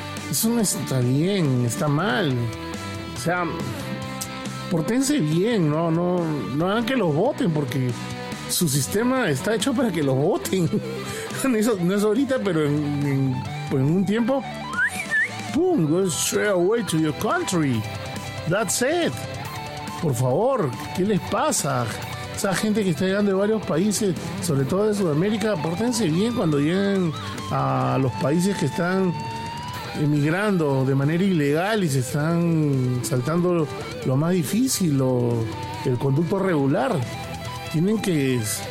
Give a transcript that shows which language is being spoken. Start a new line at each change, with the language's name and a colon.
Spanish: Eso no está bien, está mal. O sea, portense bien, no hagan que los voten, porque su sistema está hecho para que los voten. Eso no es ahorita, pero en un tiempo, ¡pum!
English: Go straight away to your country. That's it.
Spanish: Por favor, ¿qué les pasa? Esa gente que está llegando de varios países, sobre todo de Sudamérica, pórtense bien cuando lleguen a los países que están emigrando de manera ilegal y se están saltando lo más difícil, el conducto regular. Tienen que...